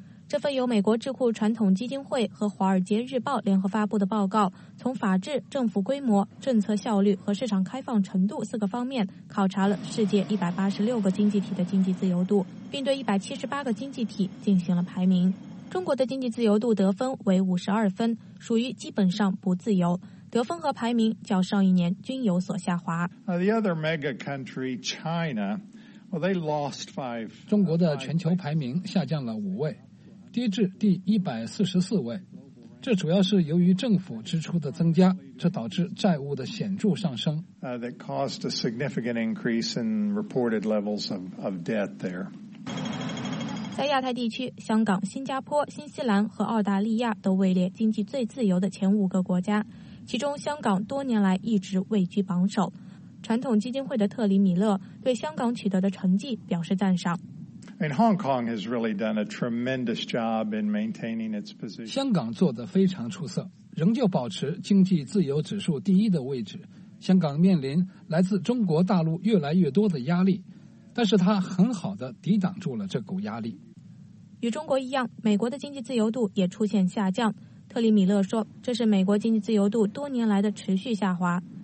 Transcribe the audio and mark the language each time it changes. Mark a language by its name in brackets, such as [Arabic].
[Chinese] 这份由美国智库传统基金会和华尔街日报联合发布的报告，从法治、政府规模、政策效率和市场开放程度四个方面考察了世界186个经济体的经济自由度，并对178个经济体进行了排名。中国的经济自由度得分为52分，属于基本上不自由，得分和排名较上一年均有所下滑。 [English] The other mega country, China, well, they lost five. [Chinese] 中国的全球排名下降了5位。跌至第144位，这主要是由于政府支出的增加，这导致债务的显著上升。 [English] That caused a significant increase in reported levels of debt there. [Chinese] 在亚太地区，香港、新加坡、新西兰和澳大利亚都位列经济最自由的前5个国家，其中香港多年来一直位居榜首。传统基金会的特里米勒对香港取得的成绩表示赞赏。 [English] Hong Kong has really done a tremendous job in maintaining its position. [Chinese] 香港做得非常出色，仍旧保持经济自由指数第一的位置。香港面临来自中国大陆越来越多的压力，但是它很好地抵挡住了这股压力。与中国一样，美国的经济自由度也出现下降。特里米勒说，这是美国经济自由度多年来的持续下滑。